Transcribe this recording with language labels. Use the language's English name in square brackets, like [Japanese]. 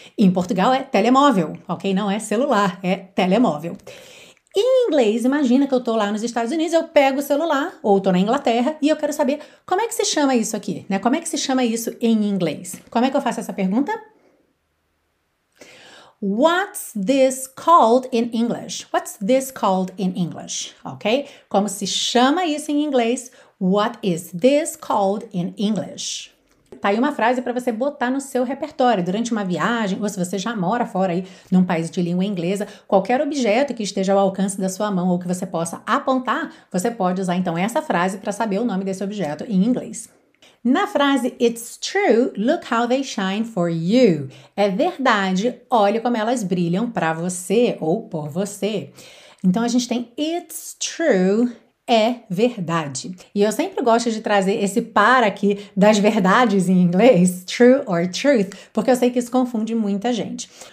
[Portuguese] Em Portugal é telemóvel, ok? Não é celular, é telemóvel. Em inglês, imagina que eu estou lá nos Estados Unidos, eu pego o celular, ou estou na Inglaterra, e eu quero saber como é que se chama isso aqui, né? Como é que se chama isso em inglês? Como é que eu faço essa pergunta? [English] What's this called in English? What's this called in English? Ok? [Portuguese] Como se chama isso em inglês? [English] What is this called in English? [Portuguese] Tá aí uma frase para você botar no seu repertório durante uma viagem, ou se você já mora fora aí num país de língua inglesa, qualquer objeto que esteja ao alcance da sua mão ou que você possa apontar, você pode usar então essa frase para saber o nome desse objeto em inglês. Na frase [English] "It's true, look how they shine for you". [Portuguese] É verdade, olha como elas brilham para você ou por você. Então a gente tem [English] "It's true". [Portuguese] É verdade. E eu sempre gosto de trazer esse par aqui das verdades em inglês, true or truth, porque eu sei que isso confunde muita gente.